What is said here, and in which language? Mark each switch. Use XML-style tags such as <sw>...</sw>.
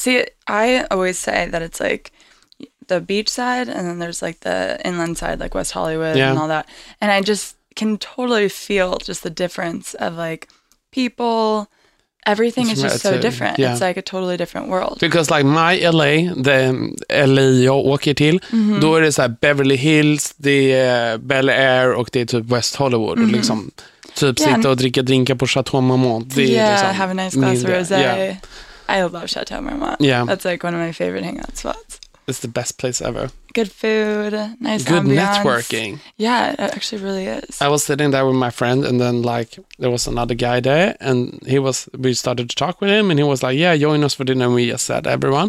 <en>See, I always say that it's like the beach side, and then there's like the inland side, like West Hollywood yeah. and all that. And I just can totally feel just the difference of like people... Everything it's is just so different. Yeah. It's like a totally different world. Because like my LA, the LA</en> <sv>jag åker till,</sv> <en>mm-hmm.</en> <sv>då är det så här Beverly Hills, det är Bel Air och det är typ West Hollywood. Mm-hmm. Liksom, typ yeah, sitta och drinka på Chateau Marmont.</sv> <en>Yeah,</en> <sv>liksom</sv> <en>have a nice glass</en> <sv>mindre.</sv> <en>Of rosé. Yeah. I love Chateau Marmont. Yeah. That's like one of my favorite hangout spots. It's the best place ever. Good food, nice Good ambience. Networking. Yeah, it actually really is. I was sitting there with my friend and then like there was another guy there and we started to talk with him and he was like, yeah, join us for dinner. And we just said everyone.</en>